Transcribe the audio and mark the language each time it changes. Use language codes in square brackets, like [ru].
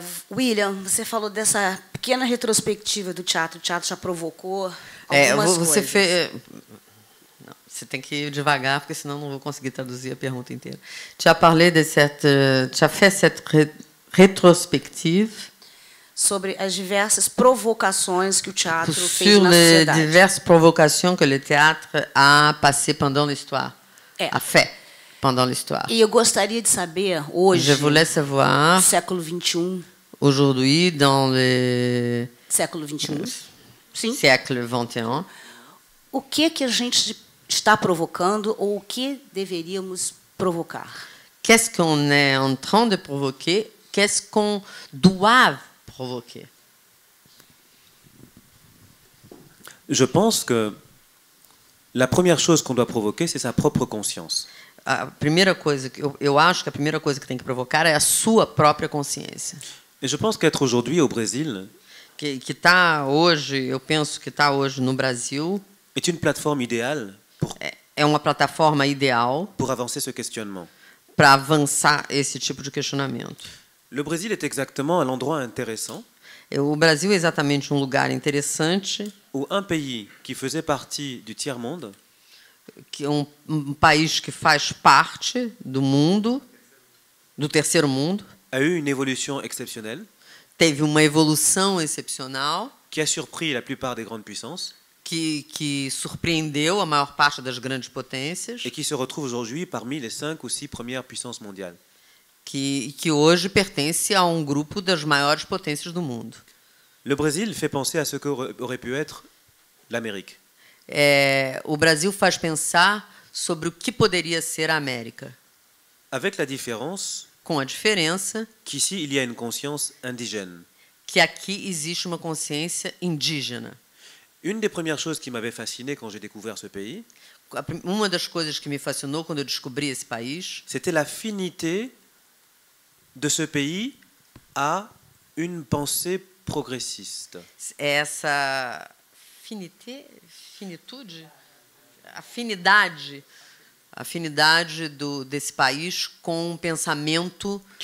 [pt] William, você falou dessa pequena retrospectiva do teatro. O teatro já provocou algumas você coisas. Você tem que ir devagar, porque senão não vou conseguir traduzir a pergunta inteira. [fr] Tu as parlé de cette, tu as fait cette rétrospective [pt] sobre as diversas provocações que o teatro fez na sociedade. [fr] Sur les diverses provocations que le théâtre a passé pendant l'histoire. A fait pendant l'histoire. [pt] E eu gostaria de saber hoje, [fr] je voulais savoir, [pt] no século 21, [fr] aujourd'hui dans le [pt] século 21. Sim. [fr] Siècle 21. [pt] O que que a gente está provocando ou o que deveríamos provocar? [fr] Qu'est-ce qu'on est en train de provoquer? Qu'est-ce qu'on doit provoquer? Je pense que la première chose qu'on doit provoquer, c'est sa propre conscience. [pt] A primeira coisa que eu acho que a primeira coisa que tem que provocar é a sua própria consciência. [fr] Et je pense qu'être aujourd'hui au Brésil, [pt] que está hoje, eu penso que está hoje no Brasil, [fr] est une plateforme idéale. [pt] É uma plataforma ideal [fr] pour avancer ce questionnement. [pt] Para avançar esse tipo de questionamento. [fr] Le Brésil est exactement l'endroit intéressant. [pt] O Brasil é exatamente um lugar interessante. [fr] Où un pays qui faisait partie du tiers monde. [pt] Que um país que faz parte do mundo, do terceiro mundo. [fr] A eu une évolution exceptionnelle. [pt] Teve uma evolução excepcional. [fr] Qui a surpris la plupart des grandes puissances. [pt] Que surpreendeu a maior parte das grandes potências [fr] e que se retrouve aujourd'hui parmi les 5 ou 6 premières puissances mondiales. [pt] Que hoje pertence a um grupo das maiores potências do mundo. [fr] Le Brésil fait penser à ce que aurait pu être l'Amérique. [pt] O Brasil faz pensar sobre o que poderia ser a América. [fr] Avec la différence, [pt] com a diferença [fr] que ici il y a une conscience indigène. [pt] Que aqui existe uma consciência indígena. [fr] Une des premières choses qui m'avait fasciné quand j'ai découvert ce pays, [pt] uma das coisas que me fascinou quando eu descobri esse país, [fr] c'était l'affinité de ce pays à une pensée progressiste. [pt] Essa finitude, afinidade desse país com um pensamento